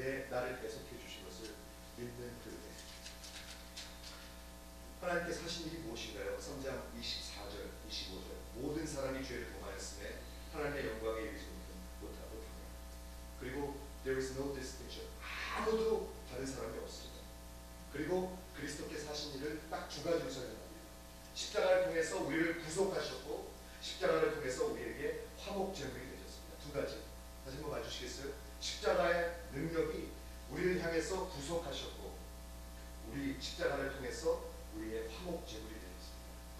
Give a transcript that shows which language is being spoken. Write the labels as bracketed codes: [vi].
[ko] 나를 대속해 주신 것을 믿는 그대. 하나님께서 하신 일이 무엇인가요? 3장 24절, 25절. 모든 사람이 죄를 범하였음에 하나님의 영광에 이르지 못하고 당하라. 그리고 [en] there is no distinction. [ko] 아무도 다른 사람이 없습니다. 그리고 그리스도께서 하신 일을 딱 두 가지로 설명합니다. 십자가를 통해서 우리를 구속하셨고 십자가를 통해서 우리에게 화목 제물이 되셨습니다. 두 가지. 다시 한번 봐주시겠어요? 십자가의 능력이 우리를 향해서 구속하셨고 우리 십자가를 통해서 우리의 화목 제물이 되었습니다.